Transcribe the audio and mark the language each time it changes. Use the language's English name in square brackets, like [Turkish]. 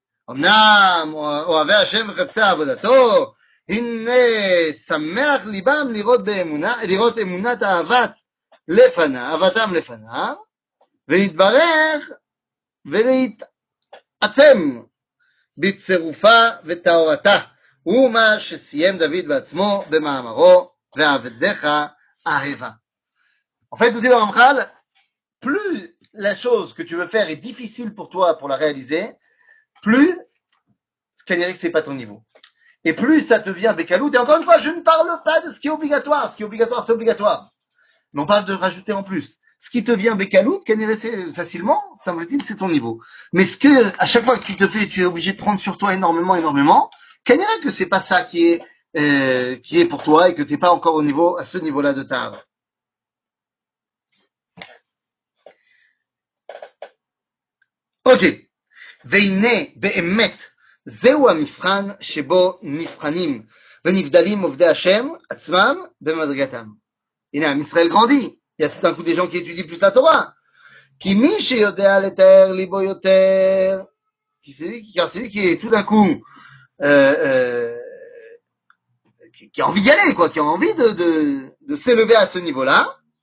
[Hebrew] אמנם אוהבי השם וחפצי עבודתו, הנה שמח ליבם לראות באמונה, לראות אמונת אהבת לפנה, אהבתם לפנה, ולהתברך ולהתעצם בצירופה וטהורתה. הוא מה שסיים דוד בעצמו במאמרו, ועבדך אהבה. [French] En fait, Doudil Ramchal, plus la chose que tu veux faire est difficile pour toi pour la réaliser, plus ce qu'il y a dit que c'est pas ton niveau. Et plus ça te vient bécalout. Et encore une fois, je ne parle pas de ce qui est obligatoire. Ce qui est obligatoire, c'est obligatoire. Mais on parle de rajouter en plus. Ce qui te vient bécalout, facilement, ça me dit que c'est ton niveau. Mais ce que, à chaque fois que tu te fais, tu es obligé de prendre sur toi énormément, énormément, qu'il y a que c'est pas ça qui est pour toi et que t'es pas encore au niveau, à ce niveau-là de ta vie. [Hebrew] אוקיי, והנה באמת זהו המבחן שבו נבחנים ונבדלים עובדי השם עצמם במדרגתם. הנה, עם ישראל גרנדי, [French] il y a tout d'un coup des gens qui étudient plus la Torah. [Hebrew] Qui miche yodea l'éter, libo yoter. [French] Qui c'est lui, car c'est lui qui est tout d'un coup, qui a envie d'y aller, quoi, qui a envie de s'élever à ce niveau-là.